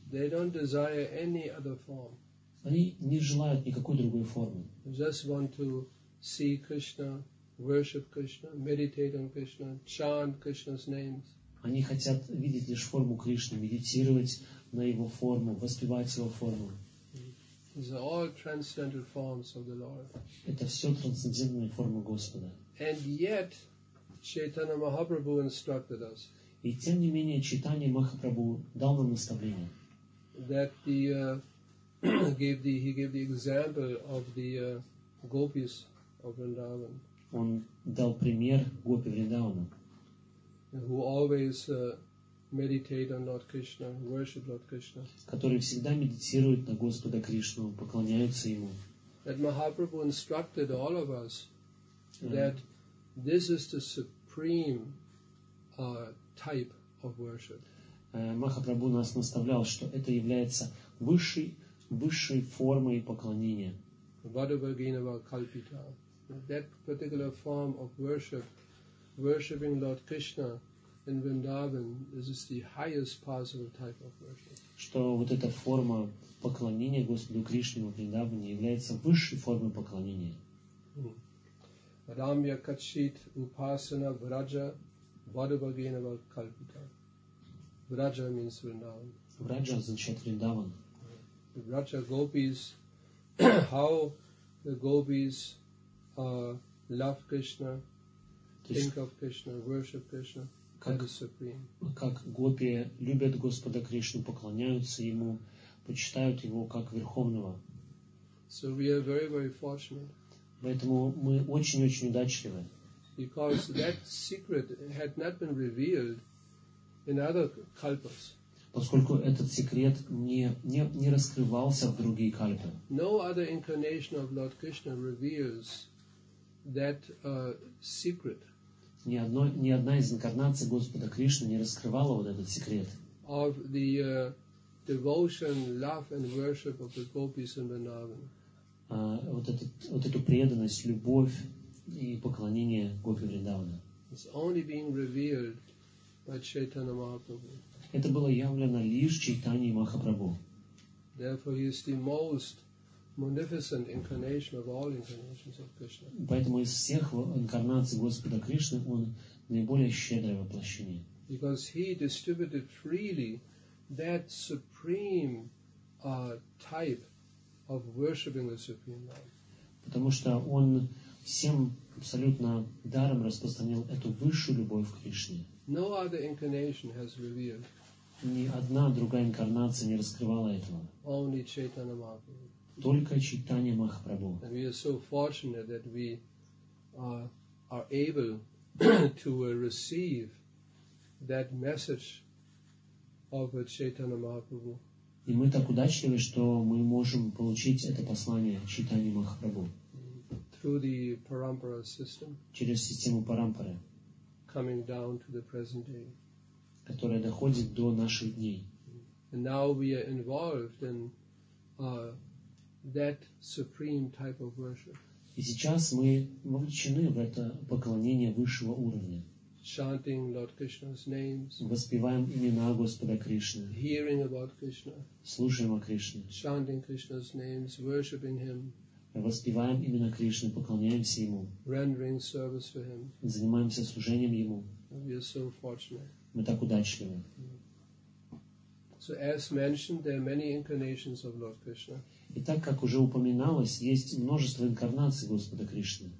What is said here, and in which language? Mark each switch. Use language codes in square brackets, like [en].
[en] They don't desire any other form. [ru] Они не желают никакой другой формы. [en] Just want to see Krishna, worship Krishna, meditate on Krishna, chant Krishna's names. [ru] Они хотят видеть лишь форму Кришны, медитировать на его форму, воспевать его форму. [en] These are all transcendental forms of the Lord. [ru] Это все трансцендентные формы Господа. [en] And yet, Chaitanya Mahaprabhu instructed us. [ru] И тем не менее, Чайтанья Махапрабху дал нам наставление. [en] That he gave the example of the gopis of Vrindavan. [ru] Он дал пример гопи Вриндавана. [en] Who always meditate on Lord Krishna, worship Lord Krishna. [ru] Которые всегда медитируют на Господа Кришну, поклоняются ему. [en] That Mahaprabhu instructed all of us that this is the supreme type of worship. [ru] Махапрабху нас наставлял, что это является высшей формой поклонения. [sa] Vadavaginavakalpita. [en] That particular form of worship, worshipping Lord Krishna in Vrindavan, this is the highest possible type of worship. [ru] Что вот эта форма поклонения Господу Кришне в Вриндаване является высшей формой поклонения. [sa] Рамья качит упасана враджа вадабагинава кальпита. [en] Враджа means Vrindavan. [ru] Враджа означает Вриндаван. [en] Враджа гопис, how the гопис love Krishna, think of Krishna, worship Krishna, that is supreme. [ru] Как гопи любят Господа Кришну, поклоняются Ему, почитают Его как Верховного. [en] So we are very, very fortunate. [ru] Поэтому мы очень-очень удачливы. [en] Because that secret had not been revealed in other kalpas. [ru] Поскольку этот секрет не раскрывался в другие кальпы. [en] No other incarnation of Lord Krishna reveals that secret. [ru] Ни одна из инкарнаций Господа Кришны не раскрывала вот этот секрет. [en] Of the devotion, love and worship of the gopis in Vrindavan. [ru] Вот эту преданность, любовь и поклонение гопи Вриндавана. [en] It's only being revealed by Chaitanya Mahaprabhu. [ru] Это было явлено лишь Чайтаньей Махапрабху. [en] Therefore, he is the most magnificent incarnation of all incarnations of Krishna. [ru] Поэтому из всех инкарнаций Господа Кришны он наиболее щедрое воплощение. [en] Because he distributed freely that supreme type of worshiping the Supreme Lord. [ru] Потому что он всем абсолютно даром распространил эту высшую любовь к Кришне. [en] No other incarnation has revealed. [ru] Ни одна другая инкарнация не раскрывала этого. [en] Only Chaitanya Mahaprabhu. [ru] Только Чайтанья Махапрабху. [en] And we are so fortunate that we are able to receive that message of Chaitanya Mahaprabhu. [ru] И мы так удачливы, что мы можем получить это послание Чайтанья Махапрабху. [en] Through the Parampara system. [ru] Через систему Парампары. [en] Coming down to the present day. [ru] Которая доходит до наших дней. [en] And now we are involved in that supreme type of worship. [ru] И сейчас мы вовлечены в это поклонение высшего уровня. [en] Chanting Lord Krishna's names. [ru] Воспеваем имена Господа Кришны. [en] Hearing about Krishna. [ru] Слушаем о Кришне. [en] Chanting Krishna's names, worshiping Him. [ru] Воспеваем имена Кришны, поклоняемся Ему. [en] Rendering service for Him. [ru] Занимаемся служением Ему. [en] We are so fortunate. [ru] Мы так удачливы. [en] So as mentioned, there are many incarnations of Lord Krishna. [ru] И так как уже упоминалось, есть множество инкарнаций Господа Кришны.